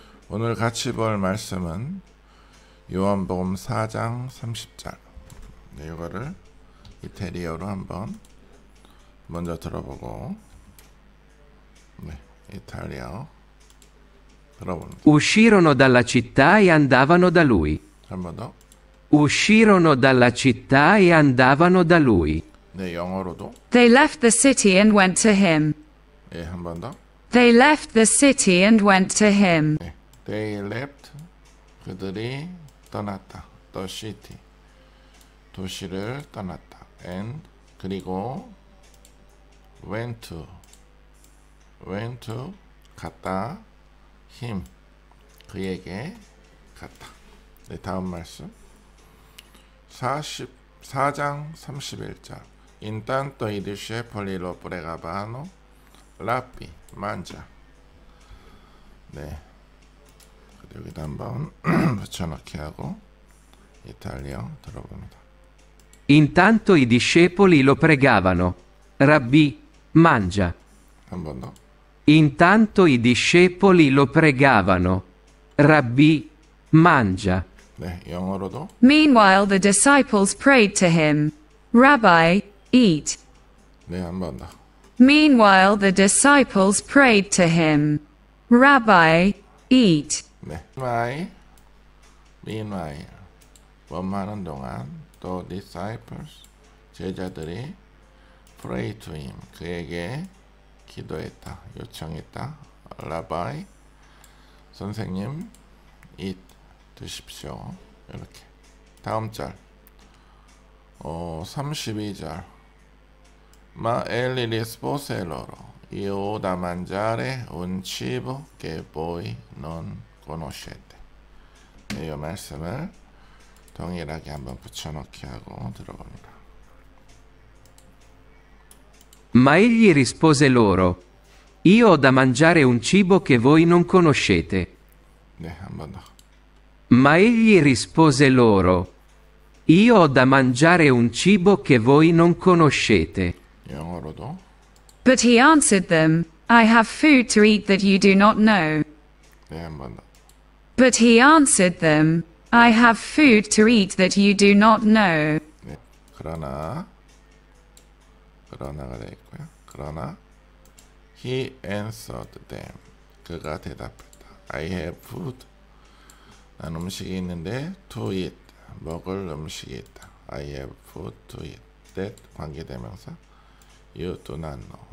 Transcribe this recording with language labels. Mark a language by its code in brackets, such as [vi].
[ko] 오늘 같이 볼 말씀은 요한복음 4장 30절. 네, 이거를 이태리어로 한번 먼저 들어보고 네, 이탈리아어 들어봅니다. [it] Uscirono dalla città e andavano da lui. [ko] 한번 더. [it] Uscirono dalla città e andavano da lui. [ko] 네, 영어로도. [en] They left the city and went to him. [ko] 예, 한 번 더. [en] They left the city and went to him. [ko] 네, [en] they left. [ko] 그들이 떠났다. [en] The city. [ko] 도시를 떠났다. [en] And [ko] 그리고 [en] went to. Went to [ko] 갔다. [en] Him. [ko] 그에게 갔다. 네, 다음 말씀. 44장 31절. [it] Intanto i discepoli lo pregavano, Rabbi, mangia. [ko] 네. 여기다 한번 붙여넣기 하고 이탈리어 들어봅니다. [it] Intanto i discepoli lo pregavano, Rabbi, mangia. [ko] 한번 더. [it] Intanto i discepoli lo pregavano, Rabbi, mangia. [ko] 네, 영어로도. [en] Meanwhile, the disciples prayed to him, Rabbi, eat. [ko] 네, 한 번 더. [en] Meanwhile, the disciples prayed to him, Rabbi, eat. [ko] 네, [en] meanwhile, [ko] 원만한 동안, [en] the disciples, [ko] 제자들이 [en] pray to him, [ko] 그에게 기도했다, 요청했다, Rabbi, 선생님, [en] eat. [ko] 드십시오. 이렇게. 다음 절. 32절. [it] Ma egli rispose loro. Io da mangiare un cibo che voi non conoscete. [ko] 네, 이 말씀을 동일하게 한번 붙여넣기 하고 들어봅니다. [it] Ma egli rispose loro. Io da mangiare un cibo che voi non conoscete. [ko] 네, 한번 더. [it] Ma egli rispose loro, io ho da mangiare un cibo che voi non conoscete. [en] But he answered them, I have food to eat that you do not know. But he answered them, I have food to eat that you do not know. [ko] 네, 그러나, 그러나가 되겠고요. 그러나, [en] he answered them, [ko] 그가 대답했다. [en] I have food. [ko] 난 음식이 있는데 [en] to eat [ko] 먹을 음식이 있다. [en] I have food to eat. That 관계대명사. You do not know.